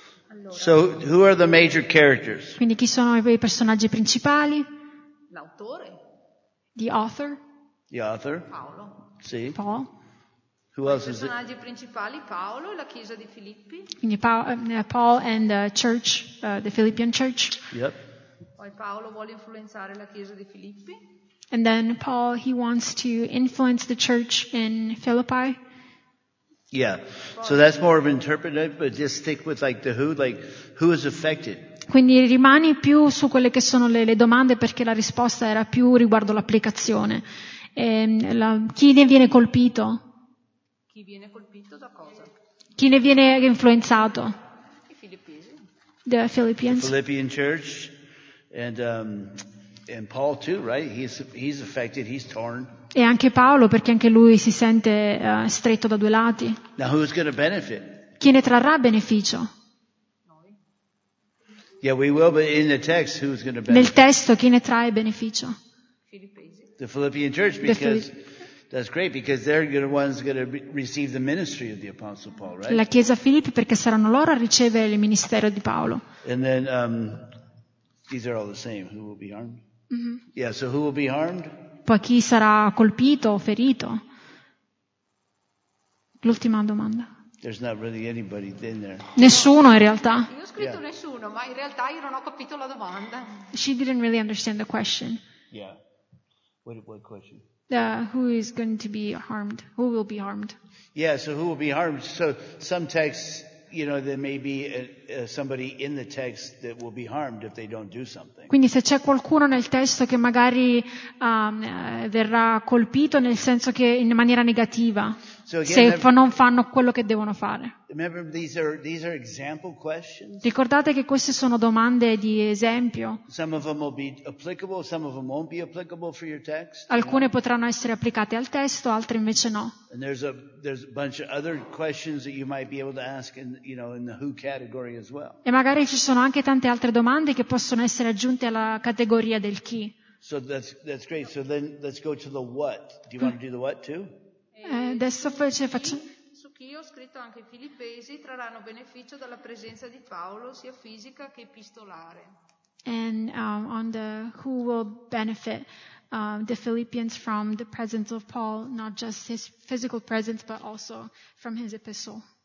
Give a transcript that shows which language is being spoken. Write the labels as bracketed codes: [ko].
[it] Allora, [en] so, who are the major characters? [it] Quindi chi sono i personaggi principali? L'autore. [en] The author. The author. [it] Paolo. Sì. [en] Paul. Who I else is it? [it] I personaggi principali, Paolo e la chiesa di Filippi. Quindi [en] Paul and the church, the Philippian church. Yep. [it] Poi Paolo vuole influenzare la chiesa di Filippi. [en] And then Paul, he wants to influence the church in Philippi. Yeah, so that's more of an interpretive, but just stick with like the who, like who is affected. [it] Quindi rimani più su quelle che sono le domande perché la risposta era più riguardo l'applicazione. E, la, chi ne viene colpito? Chi viene colpito da cosa? Chi ne viene influenzato? I filippesi. [en] The Philippians. The Philippian church, and Paul too, right? He's affected. He's torn. [it] E anche Paolo, perché anche lui si sente stretto da due lati. [en] Now who's gonna benefit? [it] Chi ne trarrà beneficio? Noi. [en] Yeah, we will, but in the text, who's gonna benefit? [it] Nel testo, chi ne trae beneficio? Filippesi. [en] The Philippian church, because that's great, because they're the ones gonna receive the ministry of the Apostle Paul, right? [it] La chiesa Filippi, perché saranno loro a ricevere il ministero di Paolo. [en] And then, these are all the same. Who will be harmed? Mm-hmm. Yeah, so who will be harmed? [it] Poi chi sarà colpito o ferito? L'ultima domanda. [en] There's not really anybody in there. [it] Nessuno in realtà. Io ho scritto yeah. Nessuno, ma in realtà io non ho capito la domanda. [en] She didn't really understand the question. Yeah. What question? Who is going to be harmed? Who will be harmed? Yeah, so who will be harmed? So some texts, you know, there may be somebody in the text that will be harmed if they don't do something. [it] Quindi se c'è qualcuno nel testo che magari verrà colpito nel senso che in maniera negativa, [en] so again, [it] se non fanno quello che devono fare. [en] Remember, these are example questions. [it] Ricordate che queste sono domande di esempio. [en] Some of them will be applicable, some of them won't be applicable for your text. [it] Alcune potranno essere applicate al testo, altre invece no. [en] And there's a bunch of other questions that you might be able to ask in, you know, in the who category as well. [it] E magari ci sono anche tante altre domande che possono essere aggiunte alla categoria del chi. [en] So that's great. So then let's go to the what. Do you want to do the what too? [it] Adesso facciamo. Io ho scritto anche i filippesi trarranno beneficio dalla presenza di Paolo sia fisica che epistolare. [en] and on the who will benefit the Philippians from the presence of Paul, not just his physical presence, but also from his epistle.